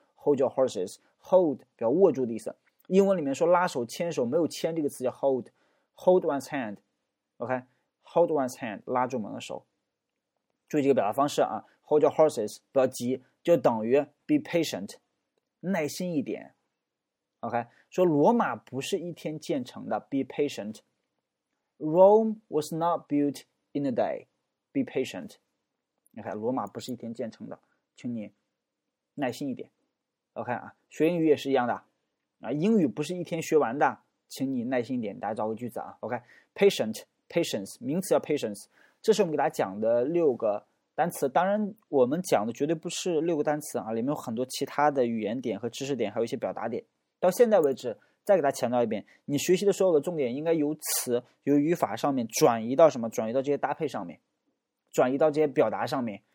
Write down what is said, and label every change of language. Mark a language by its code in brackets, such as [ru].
[zh] Hold your horses，hold 表握住的意思。英文里面说拉手、牵手，没有牵这个词叫 hold one's hand， OK，hold one's hand， 拉住我们的手。注意这个表达方式啊。 Hold your horses，不要急，就等于 be patient， 耐心一点。 OK， 说罗马不是一天建成的 ， be patient。 [en] Rome was not built in a day， be patient。 [zh] 你看，罗马不是一天建成的，请你耐心一点。 OK 啊，学英语也是一样的啊，英语不是一天学完的，请你耐心一点。大家找个句子啊。 OK，patience， 名词叫 patience。这是我们给大家讲的六个。单词，当然我们讲的绝对不是六个单词啊，里面有很多其他的语言点和知识点，还有一些表达点。到现在为止，再给大家强调一遍，你学习的所有的重点应该由词、由语法上面转移到什么？转移到这些搭配上面，转移到这些表达上面。